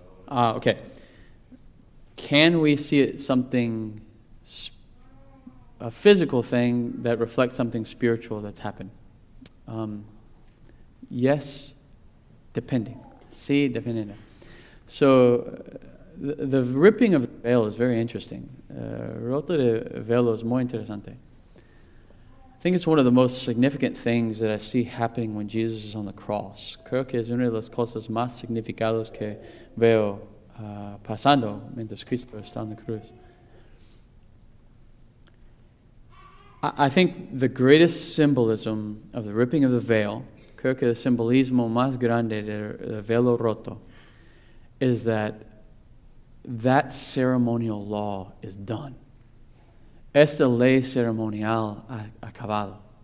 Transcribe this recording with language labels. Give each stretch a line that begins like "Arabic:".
English: Okay. Can we see it something a physical thing that reflects something spiritual that's happened? Yes, depending.
Spanish: Sí, dependiendo.
English: So, the ripping of the veil is very interesting.
Spanish: Roto de velo es muy interesante.
English: I think it's one of the most significant things that I see happening when Jesus is on the cross.
Spanish: Creo que es una de las cosas más significadas que veo pasando mientras Cristo está en la cruz.
English: I think the greatest symbolism of the ripping of the veil,
Spanish: creo que el simbolismo más grande del velo roto,
English: is that ceremonial law is done.
Spanish: Esta ley ceremonial ha acabado.